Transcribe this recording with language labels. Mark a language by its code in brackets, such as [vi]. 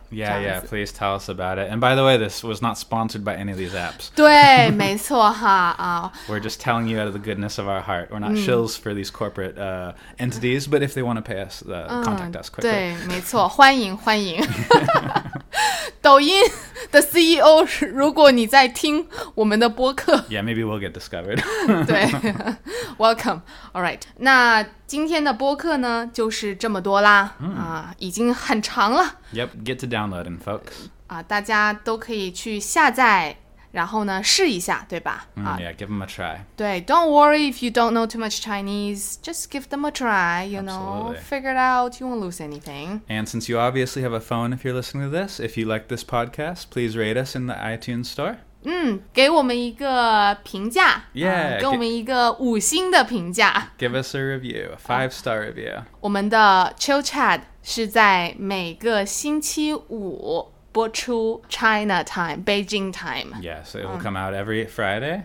[en] Yeah, please tell us about it. And by the way, this was not sponsored by any of these apps. [zh] 对，没错哈。 [en] We're just telling you out of the goodness of our heart. We're not shills for these corporate entities, but if they want to pay us, contact us quickly. [zh] 对，没错，欢迎欢迎。抖音的 CEO, 如果你在听我们的播客。 [en] Yeah, maybe we'll get discovered. [zh] 对 , [en] welcome. All right, [zh] 那今天的播客呢就是这么多啦。已经很长了。 [en] Yep, get to downloading, folks. [zh] 大家都可以去下载然后呢试一下对吧。 [en] Yeah, give them a try. 对 ,don't worry if you don't know too much Chinese, just give them a try, you know, figure it out, you won't lose anything. And since you obviously have a phone if you're listening to this, if you like this podcast, please rate us in the iTunes store. [zh] 给我们一个评价 yeah, 给我们一个五星的评价 [en] Give us a review, a 5-star review [zh] 我们的 Chill Chat 是在每个星期五播出 [en] China Time, Beijing Time. Yes, it will come out every Friday.